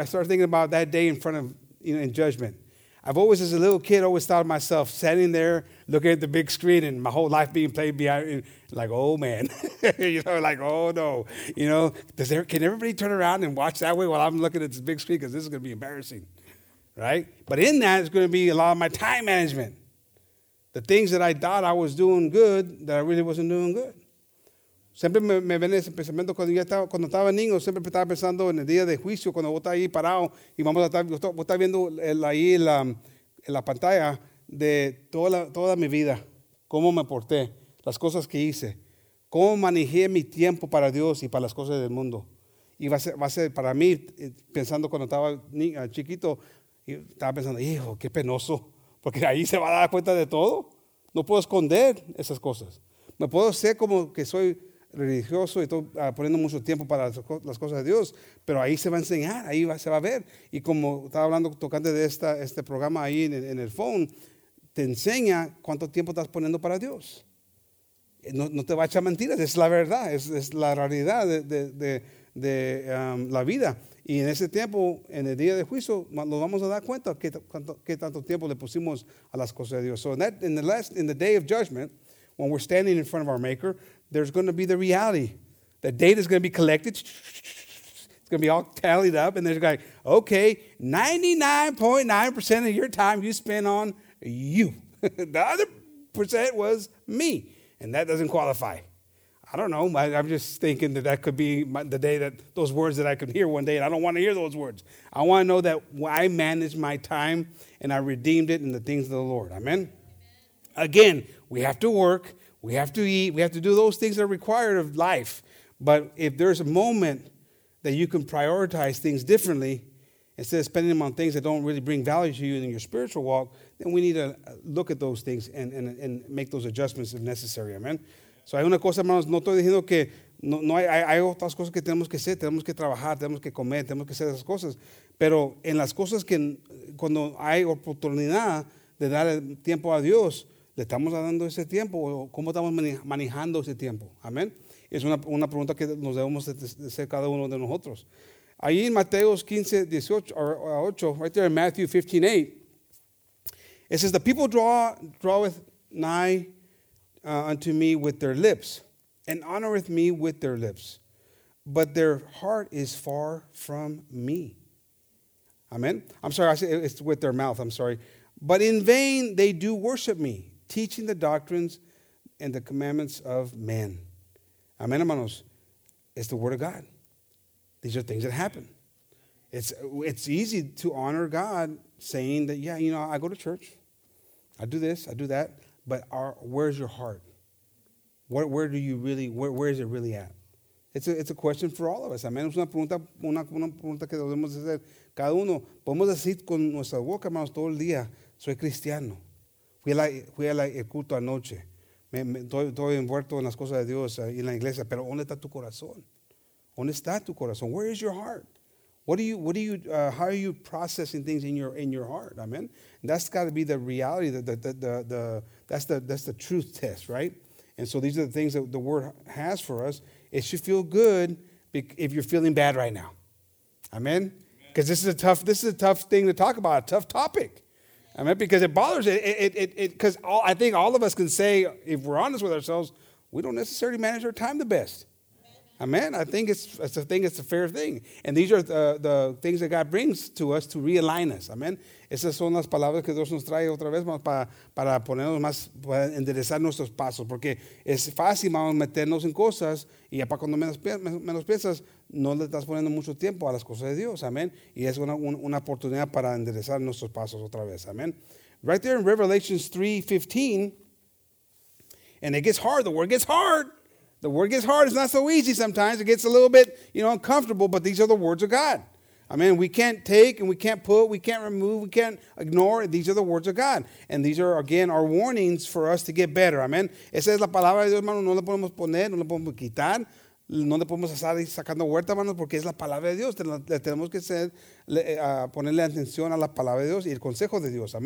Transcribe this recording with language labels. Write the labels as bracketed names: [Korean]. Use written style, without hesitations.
[English] I started thinking about that day in front of, you know, in judgment. I've always, as a little kid, always thought of myself standing there looking at the big screen and my whole life being played behind, like, oh, man, you know, like, oh, no, you know, can everybody turn around and watch that way while I'm looking at this big screen, because this is going to be embarrassing, right? But in that is going to be a lot of my time management, the things that I thought I was doing good that I really wasn't doing good. [Spanish] Siempre me ven ese pensamiento cuando estaba niño, siempre estaba pensando en el día de juicio, cuando vos estás ahí parado y vamos a estar viendo ahí en la pantalla de toda mi vida, cómo me porté. Las cosas que hice, cómo manejé mi tiempo para Dios y para las cosas del mundo. Y va a ser para mí, pensando cuando estaba chiquito, estaba pensando, hijo, qué penoso, porque ahí se va a dar cuenta de todo. No puedo esconder esas cosas. Me puedo ser como que soy religioso y estoy poniendo mucho tiempo para las cosas de Dios, pero ahí se va a enseñar, ahí se va a ver. Y como estaba hablando tocante de este programa ahí en el phone, te enseña cuánto tiempo estás poniendo para Dios. No, no te va a echar mentiras, es la verdad, es la realidad de la vida. Y en ese tiempo, en el día de juicio, nos vamos a dar cuenta qué tanto tiempo le pusimos a las cosas de Dios. [English] So in the day of judgment, when we're standing in front of our maker, there's going to be the reality The data is going to be collected. It's going to be all tallied up. And they're going, okay, 99.9% of your time you spent on you. The other percent was me. And that doesn't qualify. I don't know. I'm just thinking that that could be the day that those words that I could hear one day. And I don't want to hear those words. I want to know that I managed my time and I redeemed it in the things of the Lord. Amen? Amen. Again, we have to work. We have to eat. We have to do those things that are required of life. But if there's a moment that you can prioritize things differently, instead of spending them on things that don't really bring value to you in your spiritual walk, then we need to look at those things and make those adjustments if necessary. Amen. [Spanish] So hay una cosa, hermanos, no estoy diciendo que no hay otras cosas que tenemos que hacer, tenemos que trabajar, tenemos que comer, tenemos que hacer esas cosas. Pero en las cosas que cuando hay oportunidad de dar tiempo a Dios, le estamos dando ese tiempo o cómo estamos manejando ese tiempo. Amén. Es una pregunta que nos debemos hacer cada uno de nosotros. Ahí en Mateo 15:18, [English] right there in Matthew 15:8, it says, the people draweth nigh unto me with their lips, and honoreth me with their lips, but their heart is far from me. Amen. I'm sorry, I said it's with their mouth, I'm sorry. But in vain they do worship me, teaching the doctrines and the commandments of men. [Spanish] Amen, hermanos. [English] It's the word of God. These are things that happen. It's easy to honor God saying that, yeah, you know, I go to church. I do this, I do that. But where's your heart? Where is it really at? It's a question for all of us. Amen. [Spanish] Es una pregunta que debemos hacer. Cada uno, podemos decir con nuestra boca, hermanos, todo el día, soy cristiano. Fui a la el culto anoche. Estoy envuelto en las cosas de Dios y en la iglesia, pero ¿dónde está tu corazón? ¿Dónde está tu corazón? [English] Where is your heart? How are you processing things in your heart? Amen. And that's got to be the reality. That's the truth test, right? And so these are the things that the Word has for us. It should feel good if you're feeling bad right now. Amen. Because this is a tough thing to talk about. A tough topic. I mean, because it bothers it because I think all of us can say, if we're honest with ourselves, we don't necessarily manage our time the best. Amen. I think it's a fair thing. And these are the things that God brings to us to realign us. Amen. [Spanish] Esas son las palabras que Dios nos trae otra vez para ponernos más, para enderezar nuestros pasos. Porque es fácil, vamos a meternos en cosas y ya para cuando menos piensas, no le estás poniendo mucho tiempo a las cosas de Dios. Amen. Y es una oportunidad para enderezar nuestros pasos otra vez. Amen. Right there in Revelation 3:15, and it gets hard. The word gets hard. It's not so easy sometimes. It gets a little bit, you know, uncomfortable, but these are the words of God. I mean, we can't take and we can't put, we can't remove, we can't ignore. These are the words of God. And these are, again, our warnings for us to get better. Amen. Esa es la palabra de Dios, hermano. No la podemos poner, no la podemos quitar. No la podemos estar sacando huerta, hermano, porque es la palabra de Dios. Le tenemos que ponerle atención a la palabra de Dios y el consejo de Dios.